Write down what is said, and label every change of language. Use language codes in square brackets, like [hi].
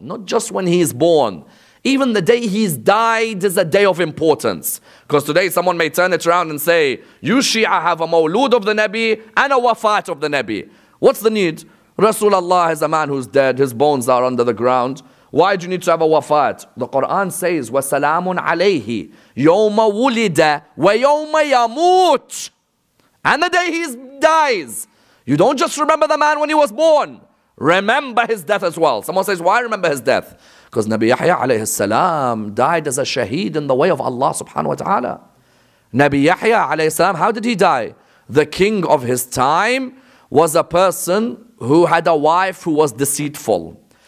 [en] Not just when he is born. Even the day he's died is a day of importance. Because today someone may turn it around and say, you Shia have a mawlud of the Nabi and a wafat of the Nabi. What's the need? Rasulullah is a man who's dead. His bones are under the ground. Why do you need to have a wafat? The Quran says, [ar] وَسَلَامٌ عَلَيْهِ يَوْمَ وُلِدَ وَيَوْمَ يَمُوتُ. [en] And the day he dies. You don't just remember the man when he was born. Remember his death as well. Someone says, why remember his death? Because Nabi Yahya alayhi salam died as a shaheed in the way of Allah subhanahu wa ta'ala. Nabi Yahya alayhi salam, how did he die? The king of his time was a person who had a wife who was deceitful.